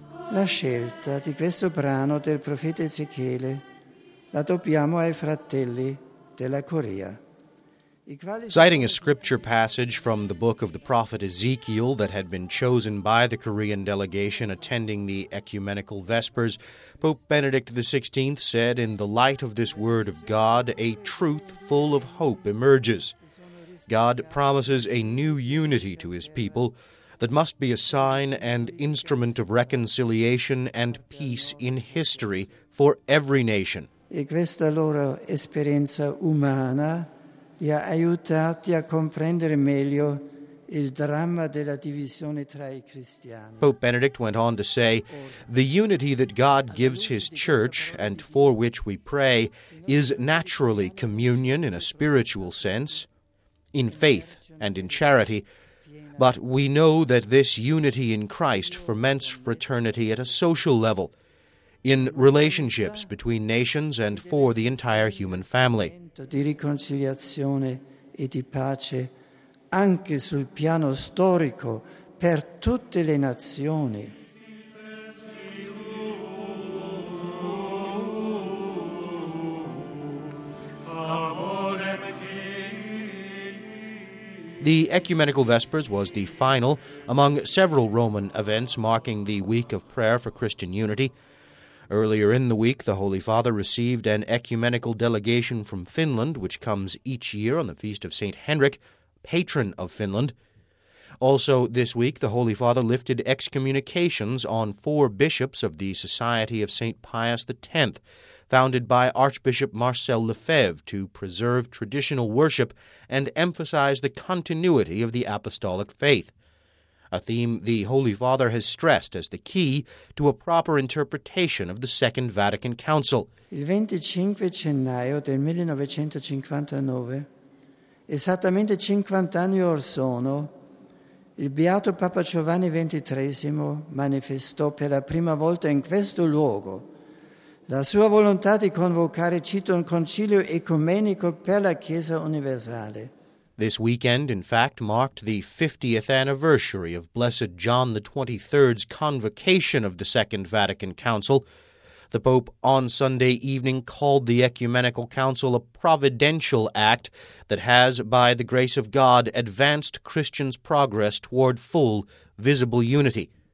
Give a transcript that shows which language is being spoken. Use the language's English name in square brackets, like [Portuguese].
[Italian] La scelta di questo brano del profeta Ezechiele la dobbiamo ai fratelli della Corea. [English] Citing a scripture passage from the book of the prophet Ezekiel that had been chosen by the Korean delegation attending the ecumenical vespers, Pope Benedict XVI said, "In the light of this word of God, a truth full of hope emerges. God promises a new unity to his people that must be a sign and instrument of reconciliation and peace in history for every nation." [Italian] E questa loro esperienza umana li ha aiutati a comprendere meglio il dramma della divisione tra i cristiani. [English] Pope Benedict went on to say, "The unity that God gives his church and for which we pray is naturally communion in a spiritual sense, in faith and in charity. But we know that this unity in Christ ferments fraternity at a social level, in relationships between nations and for the entire human family." [Italian] Di riconciliazione e di pace anche sul piano storico per tutte le nazioni. [English] The Ecumenical Vespers was the final among several Roman events marking the week of prayer for Christian unity. Earlier in the week, the Holy Father received an ecumenical delegation from Finland, which comes each year on the feast of St. Henrik, patron of Finland. Also this week, the Holy Father lifted excommunications on four bishops of the Society of St. Pius X, founded by Archbishop Marcel Lefebvre to preserve traditional worship and emphasize the continuity of the apostolic faith, a theme the Holy Father has stressed as the key to a proper interpretation of the Second Vatican Council. [Italian] Il 25 gennaio del 1959, esattamente 50 anni or sono, il Beato Papa Giovanni XXIII manifestò per la prima volta in questo luogo la sua volontà di convocare, cito, un concilio ecumenico per la Chiesa universale. [English] This weekend, in fact, marked the 50th anniversary of Blessed John XXIII's convocation of the Second Vatican Council. The Pope on Sunday evening called the Ecumenical Council a providential act that has, by the grace of God, advanced Christians' progress toward full, visible unity.